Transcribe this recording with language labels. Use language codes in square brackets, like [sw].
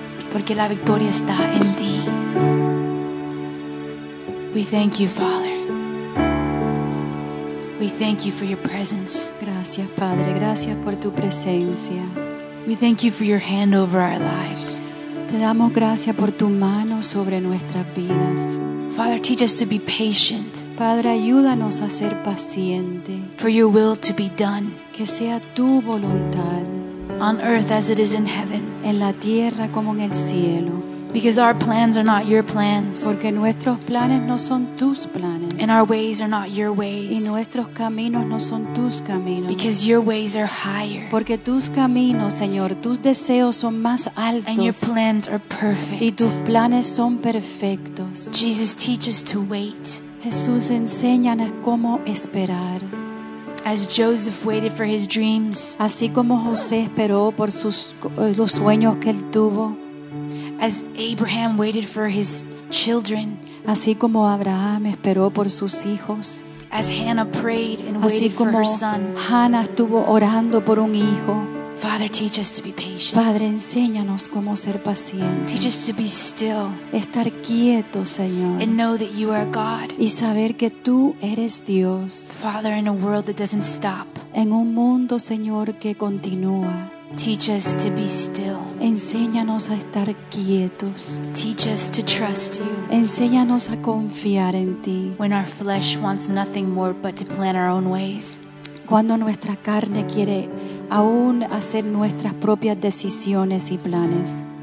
[es] Porque la victoria está en ti. [en] We thank you, Father. We thank you for your presence. [es] Gracias, Padre. Gracias por tu presencia. [en] We thank you for your hand over our lives. [es] Te damos gracias por tu mano sobre nuestras vidas. [en] Father, teach us to be patient. [es] Padre, ayúdanos a ser paciente. [en] For your will to be done. [es] Que sea tu voluntad. [en] On earth as it is in heaven. [es] En la tierra como en el cielo. [en] Because our plans are not your plans. [es] Porque nuestros planes no son tus planes. [en] And our ways are not your ways. [es] Y nuestros caminos no son tus caminos. [en] Because your ways are higher. [es] Porque tus caminos, Señor, tus deseos son más altos. [en] And your plans are perfect. [es] Y tus planes son perfectos. [en] Jesus teaches to wait. [es] Jesús, enséñanos cómo esperar. [en] As Joseph waited for his dreams. [es] Así como José esperó por sus los sueños que él tuvo. [en] As Abraham waited for his children, [es] así como Abraham esperó por sus hijos. [en] As Hannah prayed and waited for her son, [es] así como Hannah estuvo orando por un hijo. [en] Father, teach us to be patient. [es] Padre, enséñanos cómo ser paciente. [en] Teach us to be still. [es] Estar quieto, Señor. [en] And know that you are God. [es] Y saber que tú eres Dios. [en] Father, in a world that doesn't stop. [es] En un mundo, Señor, que continúa. [en] Teach us to be still. [es] Enséñanos a estar quietos. [en] Teach us to trust you. [es] Enséñanos a confiar en ti. [en] When our flesh wants nothing more but to plan our own ways. [es] Cuando nuestra carne quiere aún hacer nuestras propias decisiones y planes.